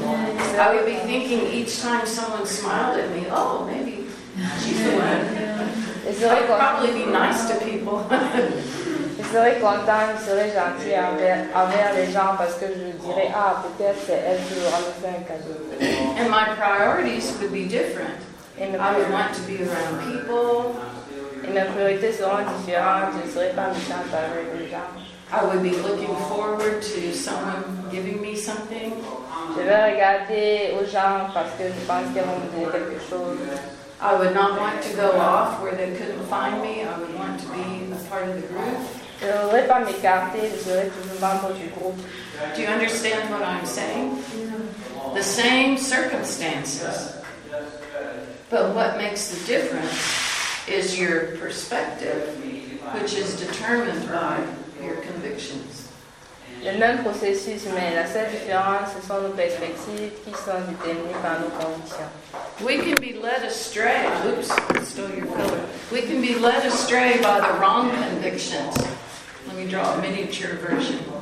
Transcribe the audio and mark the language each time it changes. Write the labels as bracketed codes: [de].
[en] I would be thinking each time someone smiled at me, oh, maybe she's the one. I'd probably be nice to people. [fr] Je serais content, je serais gentil envers les gens parce que je dirais, ah, peut-être c'est elle qui aura me fait un cadeau. [en] And my priorities would be different. I would want to be around people. [fr] Et mes priorités seront différentes. Je ne serais pas méchante avec les gens. [en] I would be looking forward to someone giving me something. [fr] Je vais regarder aux gens parce que je pense qu'ils vont me donner quelque chose. [en] I would not want to go off where they couldn't find me. I would want to be a part of the group. [fr] Je ne voudrais pas m'écarter, je voudrais toujours membre du groupe. [en] Do you understand what I'm saying? The same circumstances. But what makes the difference is your perspective, which is determined by your convictions. [fr] Le même processus, mais la seule différence, ce sont nos perspectives qui sont déterminées par nos convictions. [en] We can be led astray. Oops, I stole your color. We can be led astray by the wrong convictions. Let me draw a miniature version.